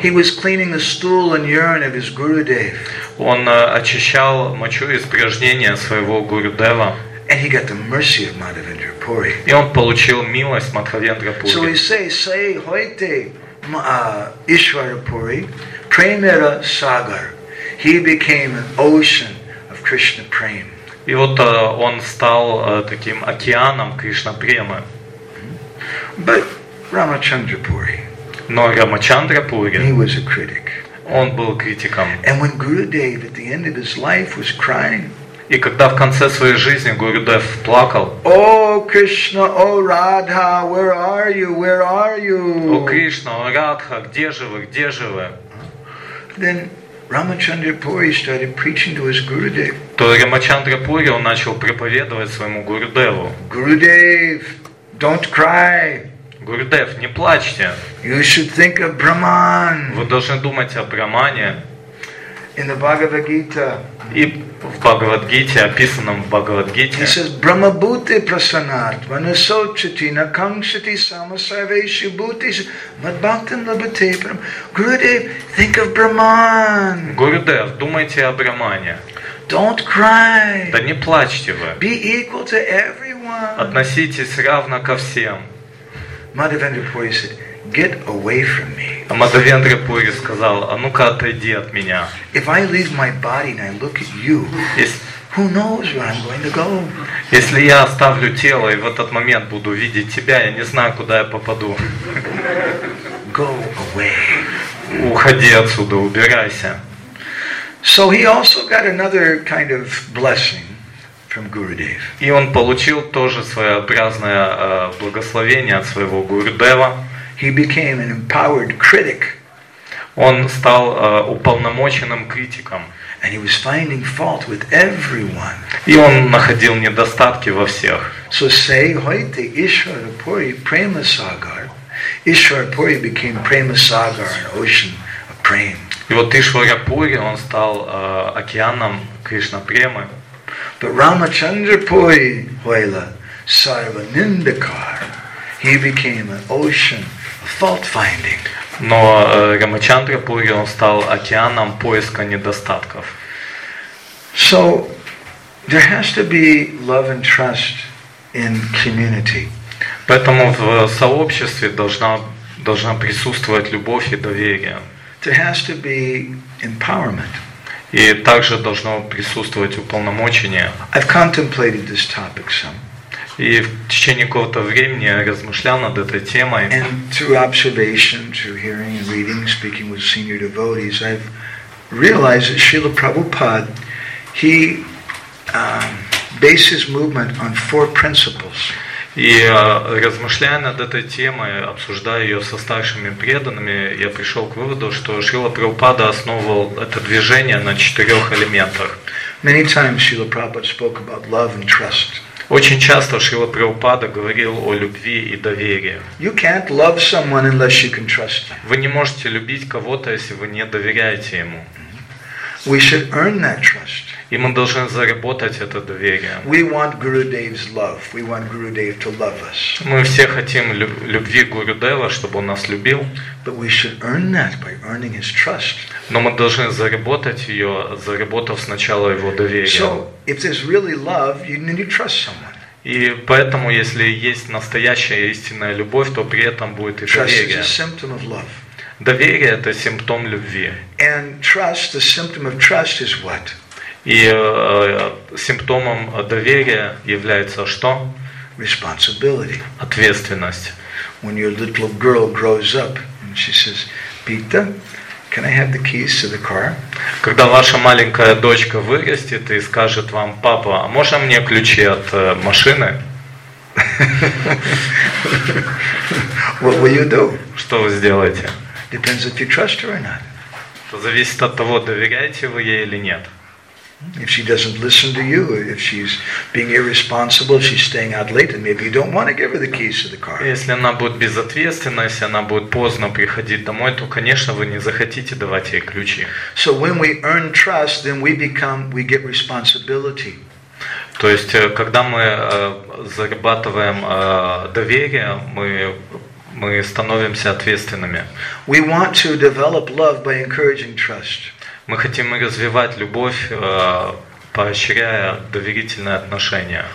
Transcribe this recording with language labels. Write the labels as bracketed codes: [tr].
[en] He was cleaning the stool and urine of his Gurudev. [ru] Он очищал мочу и испражнения своего Гурудева. [en] And he got the mercy of Madhavendra Puri. [ru] И он получил милость Мадхавендра Пури. [en] So we say, say [bn] hoite Ishvara Puri, premera sagar. [en] He became an ocean of Krishna prema. [ru] И вот он стал таким океаном Кришна премы. [en] But Ramachandra Puri. [ru] Но Рамачандра Пури. [en] He was a critic. [ru] Он был критиком. [en] And when Gurudev at the end of his life was crying. [ru] И когда в конце своей жизни Гурудев плакал. [en] О, Кришна, о, Радха, where are you? Where are you? [ru] О, Кришна, о, Радха, где же вы? Где же вы? [en] Then Ramachandra Puri started preaching to his Gurudev. [ru] То Рамачандра Пури он начал проповедовать своему Гурудеву. [en] Gurudev, don't cry. [ru] Гурудев, не плачьте. [en] You should think of Brahman. [ru] Вы должны думать о Брахмане. [en] In the Bhagavad Gita. [ru] И в Бхагавад-гите, описанном в Бхагавад-гите. [sa] He says, Brahma-bhuti prasanat, manasochati, nakangshati, samasarveshi, bhuti, madbhaktam labhatepram. [en] Gurudev, think of Brahman. [ru] Gurudev, думайте о Брахмане. [en] Don't cry. [ru] Да не плачьте вы. [en] Be equal to everyone. [ru] Относитесь равно ко всем. [en] Madhavendra Puri said, get away from me. [ru] А Мадхавендра Пури сказал, а ну-ка отойди от меня. [en] If I leave my body and I look at you, who knows where I'm going to go? [ru] Если я оставлю тело и в этот момент буду видеть тебя, я не знаю, куда я попаду. [en] Go away. [ru] Уходи отсюда, убирайся. [en] So he also got another kind of blessing. From Gurudev. [ru] И он получил тоже своеобразное благословение от своего Гурудева. [en] He became an empowered critic. [ru] Он стал уполномоченным критиком. [en] And he was finding fault with everyone. [ru] И он находил недостатки во всех. [en] So say, [bn] hoite Ishvara Puri Prema Sagar. [en] Ishvara Puri became Prema Sagar, an ocean of prema. [ru] И вот Ишвара Пури, он стал океаном Кришна премы. [en] But Ramachandra Puri [bn] Hoyla Sarvanindakar, [en] he became an ocean of fault finding. [ru] Но Рамачандра Пури он стал океаном поиска недостатков. [en] So there has to be love and trust in community. [ru] Поэтому в сообществе должна присутствовать любовь и доверие. [en] There has to be empowerment. [ru] И также должно присутствовать уполномочение. [en] I've contemplated this topic some. [ru] И в течение какого-то времени я размышлял над этой темой. [en] And through observation, through hearing and reading, speaking with senior devotees, I've realized that Srila Prabhupada, he bases movement on four principles. [ru] И размышляя над этой темой, обсуждая ее со старшими преданными, я пришел к выводу, что Шрила Прабхупада основывал это движение на четырех элементах. [en] Many times Srila Prabhupada spoke about love and trust. [ru] Очень часто Шрила Прабхупада говорил о любви и доверии. [en] You can't love someone unless you can trust them. [ru] Вы не можете любить кого-то, если вы не доверяете ему. [en] We should earn that trust. [ru] И мы должны заработать это доверие. [en] We want Gurudev's love. We want Gurudev to love us. [ru] Мы все хотим любви Гурудева, чтобы он нас любил. [en] But we should earn that by earning his trust. [ru] Но мы должны заработать ее, заработав сначала его доверие. [en] So, if there's really love, you need to trust someone. [ru] И поэтому, если есть настоящая истинная любовь, то при этом будет и доверие. [en] Trust is a symptom of love. [ru] Доверие – это симптом любви. [en] And trust, the symptom of trust is what? [ru] И симптомом доверия является что? [en] Responsibility. [ru] Ответственность. [en] When your little girl grows up and she says, Pita, can I have the keys to the car? [ru] Когда ваша маленькая дочка вырастет и скажет вам, папа, а можно мне ключи от машины? [en] What will you do? [ru] Что вы сделаете? [en] Depends if you trust her or not. [ru] Это зависит от того, доверяете вы ей или нет. [en] If she doesn't listen to you, if she's being irresponsible, if she's staying out late, then maybe you don't want to give her the keys to the car. [ru] Если она будет безответственна, если она будет поздно приходить домой, то, конечно, вы не захотите давать ей ключи. [en] So when we earn trust, then we get responsibility. [ru] То есть, когда мы зарабатываем доверие, мы становимся ответственными. [en] We want to develop love by encouraging trust. [ru] Мы хотим развивать любовь, поощряя доверительные отношения.